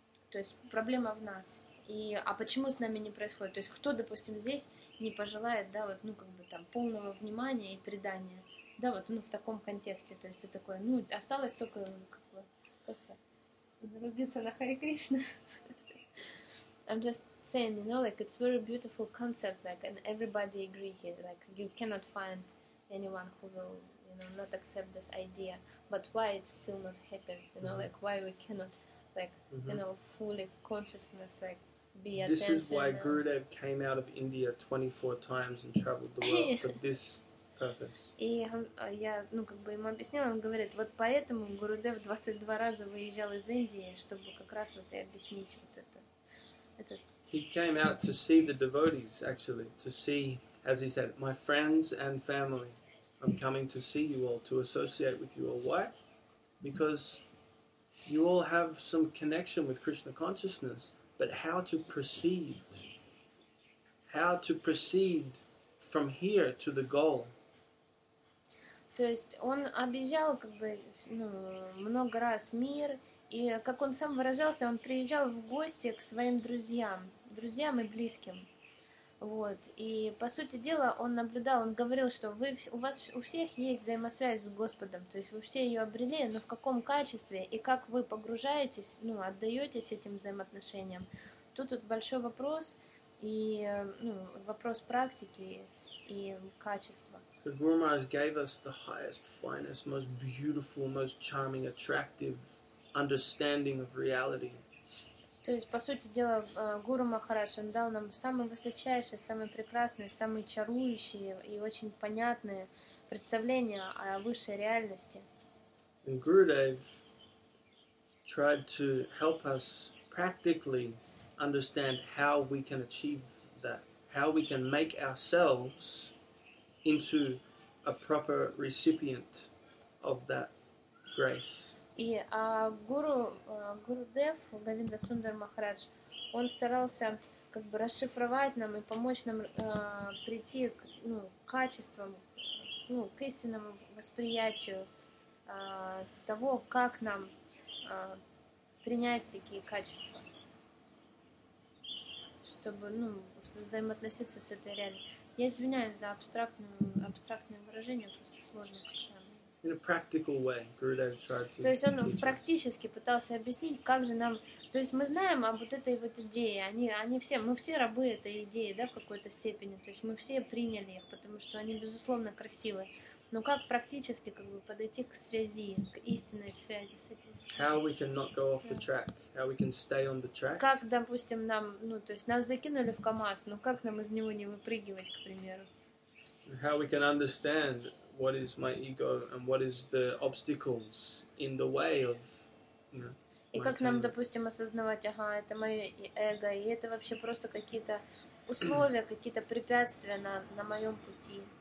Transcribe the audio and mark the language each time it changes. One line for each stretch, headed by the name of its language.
Russian: То есть проблема в нас. И, а почему с нами не происходит? То есть кто, допустим, здесь не пожелает, да, вот, ну, как бы там, полного внимания и предания? Да, вот, ну, в таком контексте, то есть это такое, ну, осталось только как бы, как зарубиться на Харе Кришна.
English: I'm just saying, you know, like it's very beautiful concept, like, and everybody agree here, like you cannot find anyone who will, you know, not accept this idea. But why it's still not happened, you know, like why we cannot, like, you know, fully consciousness, like, be this attention. This is why Gurudev came out of India 24 times and traveled the world for this purpose.
Russian: И я, ну, как бы ему объяснила, он говорит, вот поэтому Гурудев 22 раза выезжал из Индии, чтобы как раз вот и объяснить вот это.
English: He came out to see the devotees, actually, to see, as he said, my friends and family, I'm coming to see you all, to associate with you all. Why? Because you all have some connection with Krishna consciousness, but how to proceed? How to proceed from here to the goal?
Russian: То есть он объезжал как бы, ну, много раз мир. И как он сам выражался, он приезжал в гости к своим друзьям, друзьям и близким. Вот. И по сути дела он наблюдал, он говорил, что вы, у вас у всех есть взаимосвязь с Господом, то есть вы все ее обрели, но в каком качестве и как вы погружаетесь, ну, отдаетесь этим взаимоотношениям. Тут вот большой вопрос, и, ну, вопрос практики и качества.
English: The Guru Maharaj gave us the highest, finest, most beautiful, most charming, attractive understanding of reality.
Russian: То есть, по сути дела, Гуру Махарадж, он дал нам самые высочайшие, самые прекрасные, самые чарующие и очень понятные представления о высшей реальности.
English: And Gurudev tried to help us practically understand how we can achieve that, how we can make ourselves into a proper recipient of that grace.
Russian: И Гурудев, Говинда Сундар Махарадж, он старался как бы расшифровать нам и помочь нам прийти к, ну, качествам, ну, к истинному восприятию того, как нам принять такие качества, чтобы, ну, взаимоотноситься с этой реальностью. Я извиняюсь за абстрактное выражение, просто сложно.
English: In a practical way, Gurudev tried to.
Russian: То есть он практически пытался объяснить, как же нам. То есть мы знаем об вот этой вот идее. Они все, мы все рабы этой идеи, да, в какой-то степени. То есть мы все приняли их, потому что они безусловно красивые. Но как практически, как бы подойти к связи, к истинной связи с этим?
English: How we can not go off the track? How we can stay on the track?
Russian: Как, допустим, нам, ну, то есть нас закинули в КамАЗ, но как нам из него не выпрыгивать, к примеру?
English: How we can understand what is my ego and what is the obstacles in the way of, you know.
Russian: И как нам, допустим, осознавать, ага, это моё эго, и это вообще просто какие-то условия, какие-то препятствия на моём пути.